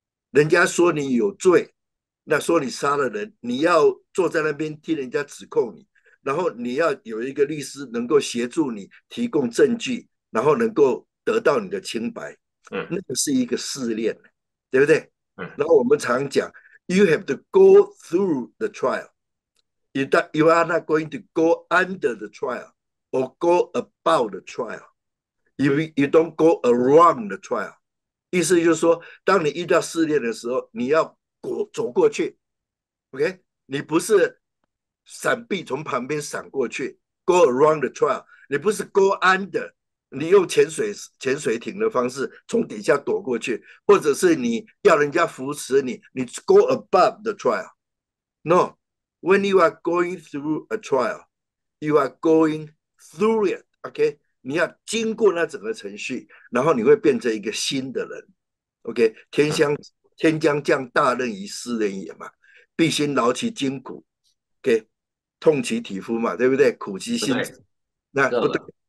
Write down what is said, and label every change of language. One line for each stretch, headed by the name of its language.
Chinese: 人家说你有罪，那说你杀了人，你要坐在那边听人家指控你。然后你要有一个律师能够协助你提供证据，然后能够得到你的清白，那个是一个试炼，对不对？然后我们常讲，
English: you have to go through the trial. You are not going to go under the trial or go about the trial. You don't go around the trial.
Chinese: 意思就是说，当你遇到试炼的时候，你要走过去。 OK，你不是。闪避，从旁边闪过去，
English: go around the trial。
Chinese: 你不是
English: go under，
Chinese: 你用潜水艇的方式从底下躲过去，或者是你要人家扶持你，你
English: go above the trial。 No，when you are going through a trial，you are going through it。
Chinese: OK，你要经过那整个程序，然后你会变成一个新的人。 OK，天将降大任于斯人也嘛，必先劳其筋骨。 OK。 痛其体肤嘛，对不对？苦其不心志，对，那这不对。